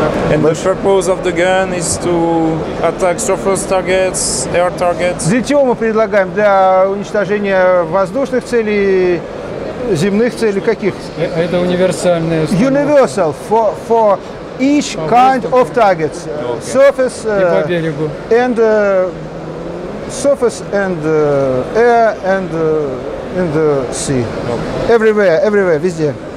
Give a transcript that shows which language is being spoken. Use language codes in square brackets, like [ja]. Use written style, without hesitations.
[en] And the purpose of the gun is to attack surface targets, air targets. [ru] Зритё мы предлагаем для уничтожения воздушных целей, земных целей каких? Это универсальная. [en] Universal for each kind of targets, surface and surface and air and in the sea, everywhere, [ru] везде.